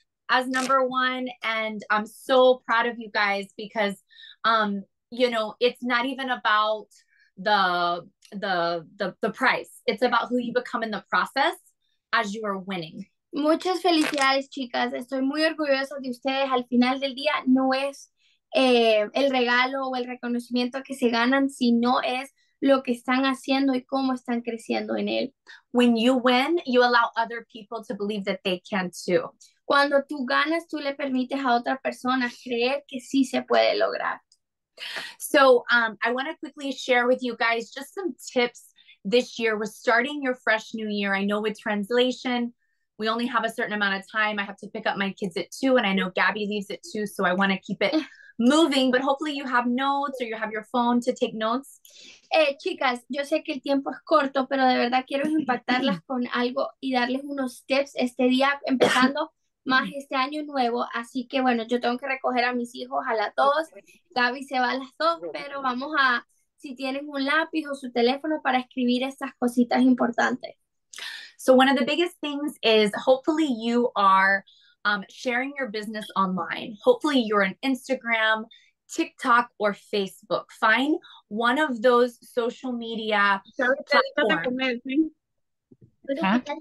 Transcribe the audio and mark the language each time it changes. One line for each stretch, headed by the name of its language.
English: as number one, and I'm so proud of you guys because, you know, it's not even about the price. It's about who you become in the process as you are winning.
Spanish: Muchas felicidades, chicas. Estoy muy orgullosa de ustedes. Al final del día, no es el regalo o el reconocimiento que se ganan, sino es lo que están haciendo y cómo están creciendo en él.
English: When you win, you allow other people to believe that they can too.
Spanish: Cuando tú ganas, tú le permites a otra persona creer que sí se puede lograr.
English: So, I want to quickly share with you guys just some tips this year. We're starting your fresh new year. I know with translation, we only have a certain amount of time. I have to pick up my kids at 2, and I know Gabby leaves at 2, so I want to keep it moving, but hopefully you have notes or you have your phone to take notes.
Spanish: Chicas, yo sé que el tiempo es corto, pero de verdad quiero impactarlas con algo y darles unos tips este día, empezando más este año nuevo. Así que bueno, yo tengo que recoger a mis hijos a las 2. Gaby se va a las 2, pero vamos a, si tienen un lápiz o su teléfono, para escribir estas cositas importantes.
English: So one of the biggest things is hopefully you are sharing your business online. Hopefully you're on Instagram, TikTok, or Facebook. Find one of those social media platforms. Huh?